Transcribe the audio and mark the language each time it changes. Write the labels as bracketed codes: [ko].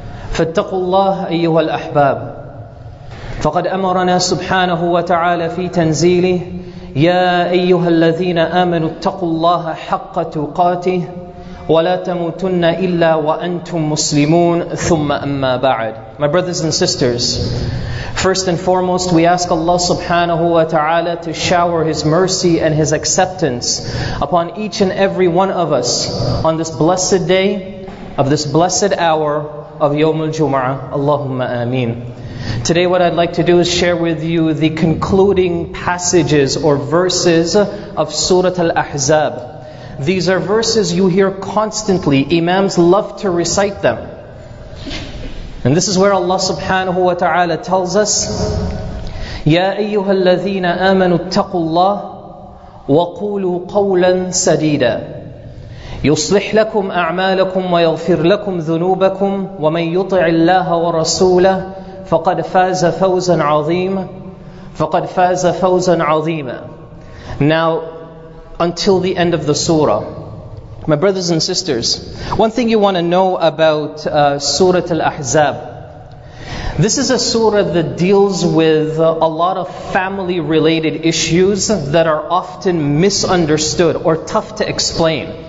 [ar] فاتقوا الله أيها الأحباب فقد أمرنا سبحانه وتعالى في تنزيله يا أيها الذين آمنوا اتقوا الله حق تقاته ولا تموتن إلا وأنتم مسلمون ثم أما بعد. [en] My brothers and sisters, first and foremost, we ask Allah subhanahu wa ta'ala to shower His mercy and His acceptance upon each and every one of us on this blessed day of this blessed hour of Yawm al-Jum'ah. Allahumma ameen. Today what I'd like to do is share with you the concluding passages or verses of Surah Al-Ahzab. These are verses you hear constantly. Imams love to recite them. And this is where Allah subhanahu wa ta'ala tells us, [ar] يَا أَيُّهَا الَّذِينَ آمَنُوا اتَّقُوا اللَّهِ وَقُولُوا قَوْلًا سَدِيدًا يُصْلِحْ لَكُمْ أَعْمَالَكُمْ وَيَغْفِرْ لَكُمْ ذُنُوبَكُمْ وَمَنْ يُطِعِ اللَّهَ وَرَسُولَهُ فَقَدْ فَازَ فَوْزًا عَظِيمًا فَقَدْ فَازَ فَوْزًا عَظِيمًا. [en] Now, until the end of the surah. My brothers and sisters, one thing you want to know about Surah Al-Ahzab. This is a surah that deals with a lot of family-related issues that are often misunderstood or tough to explain.